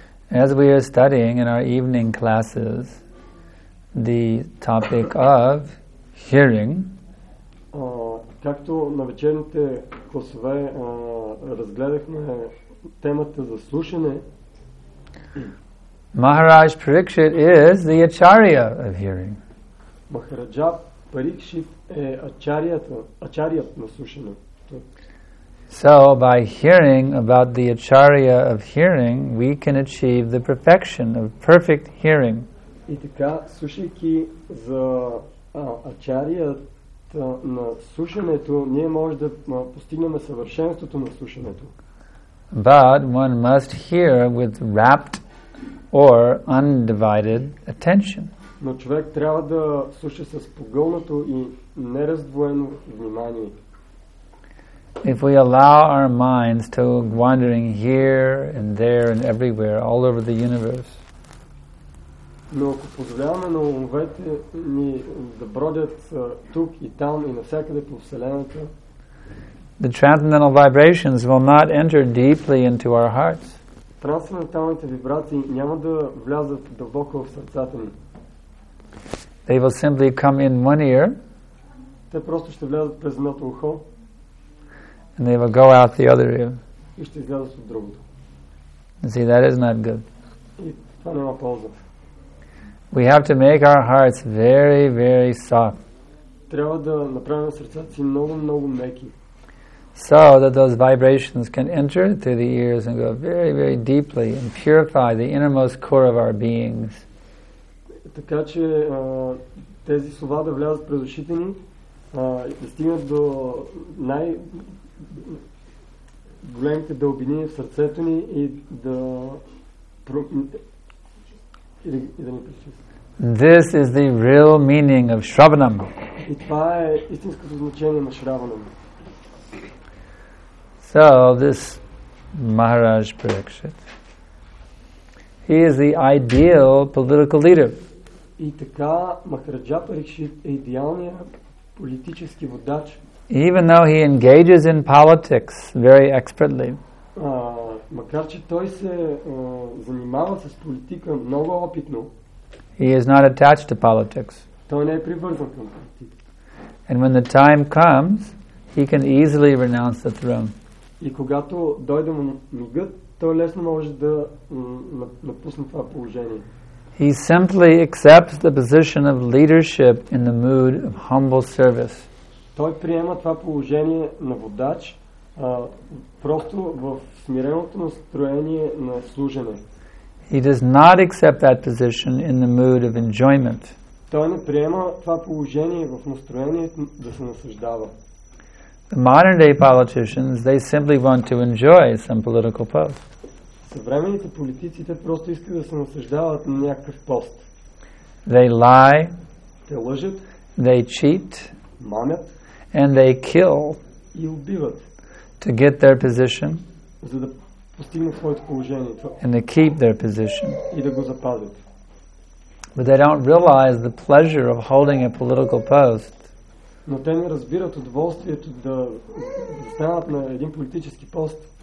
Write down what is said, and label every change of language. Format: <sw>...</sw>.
<en>As we are studying in our evening classes the topic of hearing,</en> <bg>както на вечерните класове разгледахме темата за слушане,</bg> <en>Maharaj Parikshit is the acharya of hearing. Maharaja</en> <bg>Parikshit е ачарият на слушането.</bg> <en>So by hearing about the acharya of hearing, we can achieve the perfection of perfect hearing.</en> <bg>И така, слушайки за ачарията на слушането, ние може да постигнем съвършенството на слушането.</bg> <en>But one must hear with rapt or undivided attention.</en> <bg>Но човек трябва да слуша с погълнато и нераздвоено внимание.</bg> <en>If we allow our minds to wandering here and there and everywhere, all over the universe.</en> <bg>Но ако позволяваме на умовете ни да бродят тук и там и навсякъде по Вселената,</bg> <en>the transcendental vibrations will not enter deeply into our hearts.</en> <bg>Трансценденталните вибрации няма да влязат дълбоко в сърцата ни.</bg> <en>They will simply come in one ear.</en> <bg>Те просто ще влязат през едното ухо.</bg> <en>And they will go out the other ear.</en> <bg>И ще излязат от другото.</bg> <en>See, that is not good.</en> <bg>И това няма полза.</bg> <en>We have to make our hearts very, very soft.</en> <bg>Трябва да направим сърцата си много, много меки.</bg> <en>So that those vibrations can enter through the ears and go very, very deeply and purify the innermost core of our beings.</en> <bg>Така че тези слова да влязат през ушите ни и да стигнат до най-големите дълбини в сърцето ни и да ни пречистят.</bg> <en>This is the real meaning of Shravanam.</en> <bg>И това е истинското значение на Shravanam.</bg> <en>So this Maharaj Parikshit, he is the ideal political leader.</en> <bg>И така Махараджа Парикшит е идеалният политически водач.</bg> <en>Even though he engages in politics very expertly.</en> <bg>Макар че той се занимава с политика много опитно.</bg> <en>He is not attached to politics.</en> <bg>Той не е привързан към политика.</bg> <en>And when the time comes, he can easily renounce the throne.</en> <bg>И когато дойде мигът, той лесно може да напусне това положение.</bg> <en>He simply accepts the position of leadership in the mood of humble service.</en> <bg>Той приема това положение на водач просто в смиреното настроение на служене.</bg> <en>He does not accept that position in the mood of enjoyment.</en> <bg>Той не приема това положение в настроението да се наслаждава.</bg> <en>The modern day politicians, they simply want to enjoy some political post.</en> <bg>Съвременните политици просто искат да се наслаждават на някакъв пост.</bg> <en>They lie.</en> <bg>Те лъжат.</bg> <en>They cheat.</en> <bg>Мамят.</bg> <en>And they kill.</en> <bg>И убиват.</bg> <en>To get their position.</en> <bg>За да постигнат своето положение.</bg> <en>And to keep their position.</en> <bg>И да го запазят.</bg> <en>But they don't realize the pleasure of holding a political post.</en> <bg>Но те не разбират удоволствието да станат на един политически пост.</bg>